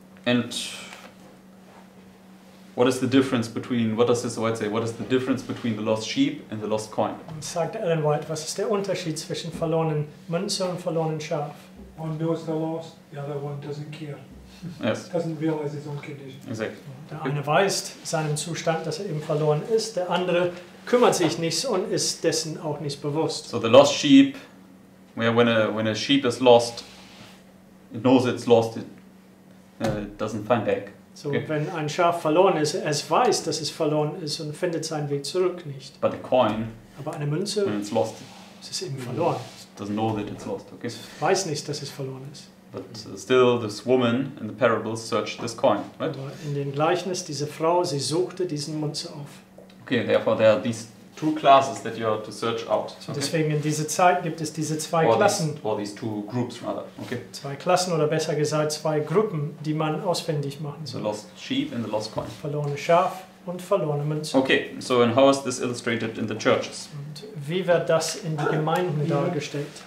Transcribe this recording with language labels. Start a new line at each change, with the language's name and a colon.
English: And what is the difference between what does this white say? What is the difference between the lost sheep and the lost coin?
German: Sagt Ellen White, was ist der Unterschied zwischen verlorenen Münze und verlorenen Schaf?
English: One knows the lost, the other one doesn't care. Yes. Doesn't realize his own condition. Exactly.
German: Der eine weiß seinen Zustand, dass eben verloren ist. Der andere kümmert sich nichts und ist dessen auch nicht bewusst.
English: So the lost sheep, when a sheep is lost, it knows it's lost. It doesn't find back. So, okay.
German: Wenn ein Schaf verloren ist, es weiß, dass es verloren ist und findet seinen Weg zurück nicht.
English: But the coin,
German: aber eine Münze,
English: when it's lost,
German: es ist eben verloren.
English: It doesn't know that it's lost, okay.
German: Es weiß nicht, dass es verloren ist.
English: But still, this woman in the parable searched this coin, right?
German: Aber in dem Gleichnis, diese Frau, sie suchte diesen Münze auf.
English: Okay, therefore there are these two classes that you are to search out.
German: So deswegen in dieser Zeit gibt es diese zwei Klassen.
English: Or these two groups rather. Okay.
German: Zwei Klassen oder besser gesagt zwei Gruppen, die man ausfindig machen soll.
English: The lost sheep and the lost coin.
German: Verlorene Schaf und verlorene Münze.
English: Okay, so and how is this illustrated in the churches?
German: Und wie wird das in die Gemeinden dargestellt?